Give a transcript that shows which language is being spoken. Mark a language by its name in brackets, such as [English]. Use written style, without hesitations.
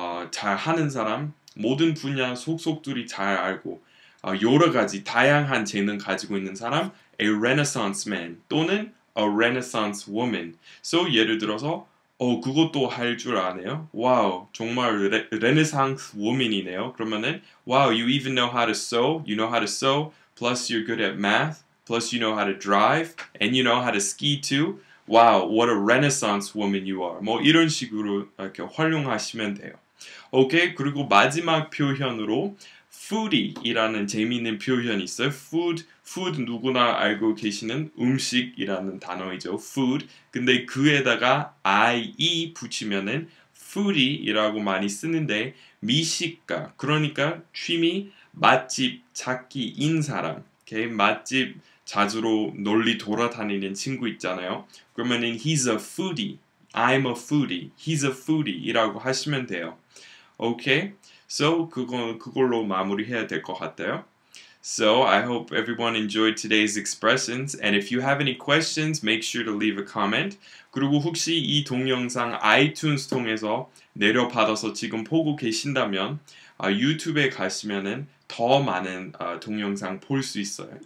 [Korean] 잘 하는 사람, 모든 분야 속속들이 잘 알고 여러 가지 다양한 재능 가지고 있는 사람, [English] a renaissance man [Korean] 또는 [English] a renaissance woman. So [Korean] 예를 들어서 그것도 할줄 아네요. 와우, 정말 레네상스 워맨이네요. 그러면은 와우, [English] you even know how to sew, you know how to sew, plus you're good at math, plus you know how to drive, and you know how to ski too. [Korean] 와우, [English] what a renaissance woman you are. [Korean] 뭐 이런 식으로 이렇게 활용하시면 돼요. 오케이, 그리고 마지막 표현으로 foodie이라는 재미있는 표현이 있어요. food 누구나 알고 계시는 음식이라는 단어이죠. food. 근데 그에다가 ie 붙이면은 foodie이라고 많이 쓰는데 미식가, 그러니까 취미 맛집 찾기인 사람. 오케이, 맛집 자주로 널리 돌아다니는 친구 있잖아요. 그러면은 [English] he's a foodie. I'm a foodie. He's a foodie [Korean] 이라고 하시면 돼요. 오케이. [English] So, [Korean] 그걸로 마무리해야 될것 같아요. [English] So, I hope everyone enjoyed today's expressions. And if you have any questions, make sure to leave a comment. [Korean] 그리고 혹시 이 동영상 iTunes 통해서 내려받아서 지금 보고 계신다면, 유튜브에 가시면은 더 많은 동영상 볼수 있어요.